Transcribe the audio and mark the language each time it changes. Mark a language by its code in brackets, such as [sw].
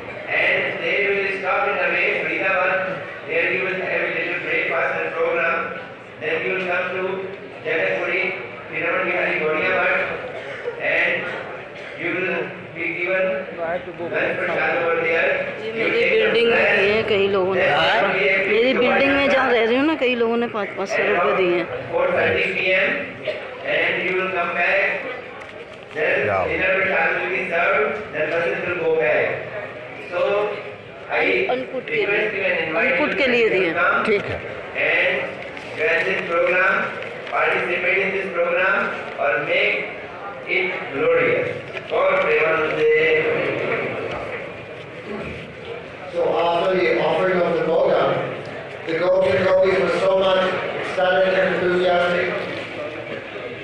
[en] And they will stop in a way, Vrindavan. There you will have a little breakfast and program. Then you will come to Jagatpuri, Hiraman Vihari Gaudiya Math, and you will be given lunch prasad over there. [hi] मेरी building में दी है कई लोगों ने, मेरी building में जहाँ रह रही हूँ ना, कई लोगों ने 500 रुपए दिए हैं। [en] 4:30 PM and you will come back, then dinner prasad will be served, then buses will go back. So I [hi] अंकुट के लिए, अंकुट के लिए दिए, ठीक है। [en] And join this program, participate in this program, or make it glorious. For Premanand Day. So after the offering of the program, the Gopis were so much excited and enthusiastic.